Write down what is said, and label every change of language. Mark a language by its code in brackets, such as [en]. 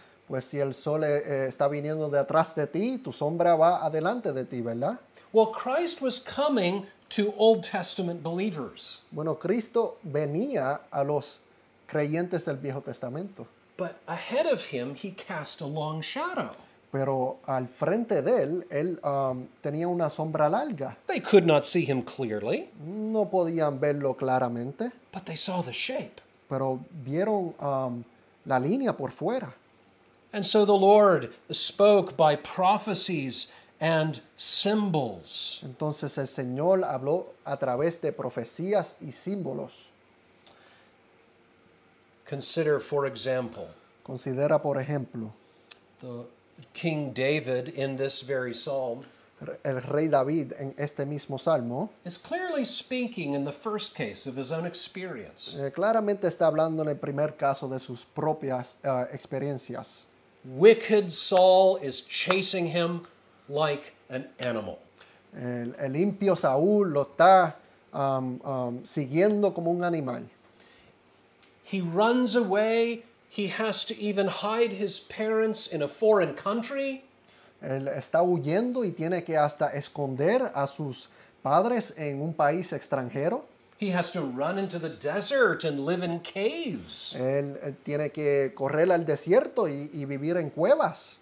[es] Pues si el sol está viniendo de atrás de ti, tu sombra va adelante de ti, ¿verdad? [en] Well, Christ was coming to Old Testament believers. [es] Bueno, Cristo venía a los creyentes del Viejo Testamento. [en] But ahead of him, he cast a long shadow. [es] Pero al frente de él, tenía una sombra larga. [en] They could not see him clearly. [es] No podían verlo claramente. [en] But they saw the shape. [es] Pero vieron la línea por fuera. [en] And so the Lord spoke by prophecies and symbols. [es] Entonces el Señor habló a través de profecías y símbolos. [en] Consider, for example. [es] Considera, por ejemplo. [en] The King David in this very psalm. [es] El rey David en este mismo salmo. [en] Is clearly speaking in the first case of his own experience. [es] Claramente está hablando en el primer caso de sus propias experiencias. [en] Wicked Saul is chasing him like an animal. [es] El impío Saúl lo está siguiendo como un animal. [en] He runs away. He has to even hide his parents in a foreign country. [es] Él está huyendo y tiene que hasta esconder a sus padres en un país extranjero. [en] He has to run into the desert and live in caves. [es] Él tiene que correr al desierto y vivir en cuevas.